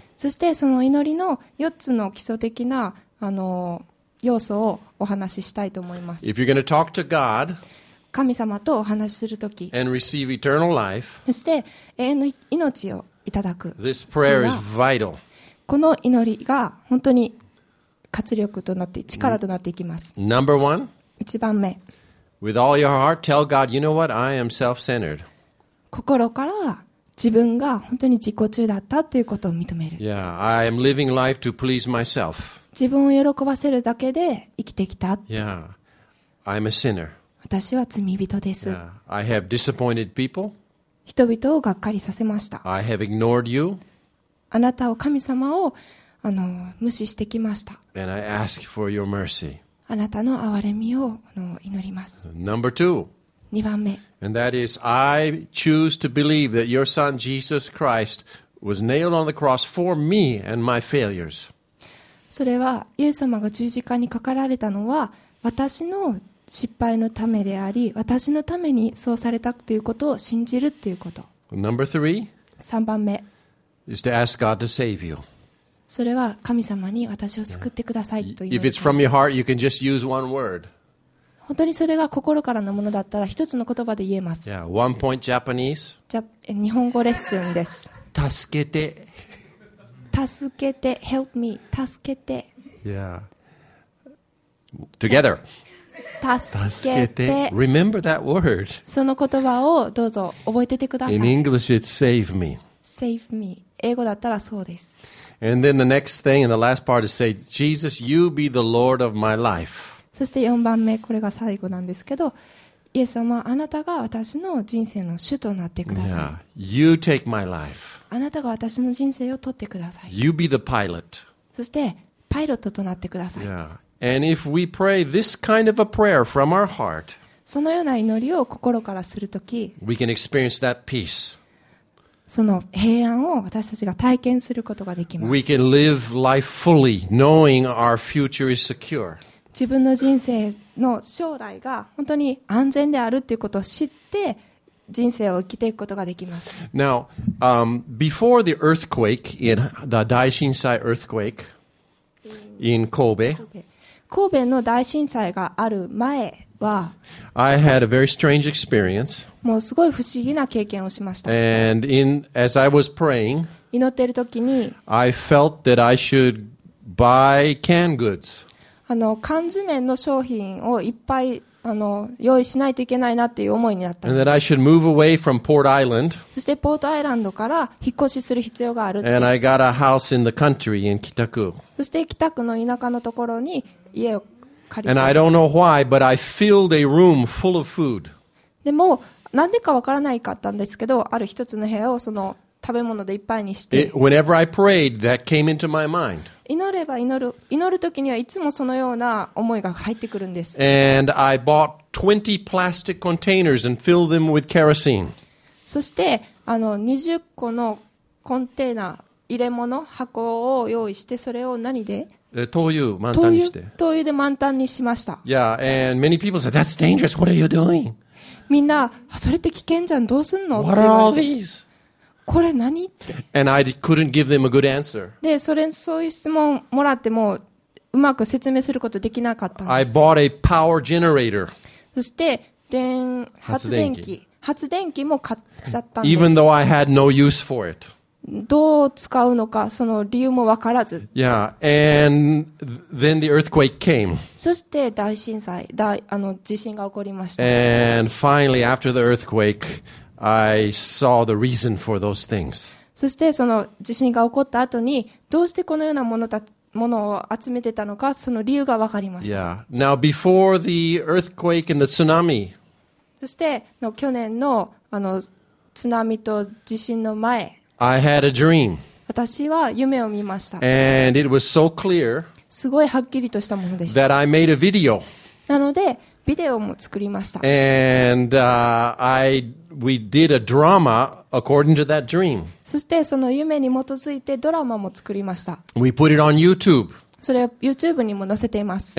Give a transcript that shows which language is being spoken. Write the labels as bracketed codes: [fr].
[ja] そしてその祈りの四つの基礎的な要素をお話ししたいと思います。 [en] If you're going to talk to God. [ja] 神様とお話しするとき、 [en] and receive eternal life, [ja] そして永遠の命をいただく。 [en] This prayer is vital. [ja] この祈りが本当に活力となって力となっていきます。 [en] Number one, [ja] 一番目。 [en] With all your heart, tell God, you know what? I am self-centered. [ja] 心から自分が本当に自己中だったということを認める。 [en] Yeah, I am living life to please myself. [ja] 自分を喜ばせるだけで生きてきた。 [en] Yeah, I'm a sinner. [ja] 私は罪人です。 [en] Yeah. I have disappointed people. [ja] 人々をがっかりさせました。 [en] I have ignored you. [ja] あなたを神様を無視してきました。 [en] And I ask for your mercy. [ja] あなたの憐れみを祈ります。 [en] Number two. [ja] 二番目。 [en] And that is, I choose to believe that your son Jesus Christ was nailed on the cross for me and my failures. [ja] それはイエス様が十字架にかかられたのは私の失敗のためであり、私のためにそうされたということを信じるということ。 [en] Number three, [ja] 3番目。 [en] Is to ask God to save you. [ja] それは神様に私を救ってくださいという。 [en] If it's from your heart, you can just use one word. [ja] 本当にそれが心からのものだったら一つの言葉で言えます。 [en] Yeah, one point Japanese. [ja] 日本語レッスンです。助けて。助けて。 [en] Help me. [ja] 助けて。 [en] Yeah. Together. [ja] 助けて。 [en] Remember that word. [ja] その言葉をどうぞ覚えててください。 [en] In English, it's save me. Save me. [ja] 英語だったらそうです。 [en] And then the next thing and the last part is say, Jesus, you be the Lord of my life. [ja] そして4番目、これが最後なんですけど、イエス様、あなたが私の人生の主となってください。 [en] Yeah. You take my life. [ja] あなたが私の人生を取ってください。 [en] You be the pilot. [ja] そして、パイロットとなってください。 [en] Yeah. And if we pray this kind of a prayer from our heart, [ja] そのような祈りを心からするとき、 [en] we can experience that peace. [ja] その平安を私たちが体験することができます。 [en] We can live life fully, knowing our future is secure. [ja] 自分の人生の将来が本当に安全であるということを知って、人生を生きていくことができます。 [en] Now, before the earthquake in the Daishinsai earthquake in Kobe. [ja] 神戸の大震災がある前は、 [en] I had a very strange experience. [ja] もうすごい不思議な経験をしました。 [en] And as I was praying, [ja] 祈っている時に、 [en] I felt that I should buy canned goods. [ja] 缶詰の商品をいっぱい用意しないといけないなっていう思いになった。 [en] And that I should move away from Port Island. [ja] そしてポートアイランドから引っ越しする必要があるって。 [en] And I got a house in the country in Kitaku. [ja] そして北区の田舎のところに、 [en] And I don't know why, but I filled a room full of food. [ja] でも何でかわからないかったんですけど、ある一つの部屋をその食べ物でいっぱいにして。 [en] Whenever I prayed, that came into my mind. [ja] 祈れば祈る時にはいつもそのような思いが入ってくるんです。 [en] And I bought 20 plastic containers and filled them with kerosene. [ja] そして20個のコンテナ入れ物箱を用意してそれを何で？灯油満タンにして。灯油で満タンにしました。 [en] Yeah, and many people said, that's dangerous. What are you doing? [ja] みんな、それって危険じゃん。どうすんの？ [en] What are all these? [ja] これ何って。 [en] And I couldn't give them a good answer. [ja] で、そういう質問もらっても、うまく説明することできなかったんです。 [en] I bought a power generator. [ja] そして、電発電機。発電機も買っちゃったんです。 [en] Even though I had no use for it. [ja] どう使うのかその理由も分からず。 [en] Yeah, and then the earthquake came. [ja] そして大震災、地震が起こりました。 [en] And finally, after the earthquake, I saw the reason for those things. [ja] そしてその地震が起こった後にどうしてこのようなものだものを集めてたのかその理由が分かりました。 [en] Yeah. Now before the earthquake and the tsunami. [ja] そして去年の津波と地震の前。 [en] I had a dream. [ja] 私は夢を見ました。 [en] And it was so clear. [ja] すごいはっきりとしたものでした。 [en] That I made a video. [ja] なのでビデオも作りました。 [en] And we did a drama according to that dream. [ja] そしてその夢に基づいてドラマも作りました。 [en] We put it on YouTube. [ja] それを YouTube にも載せています。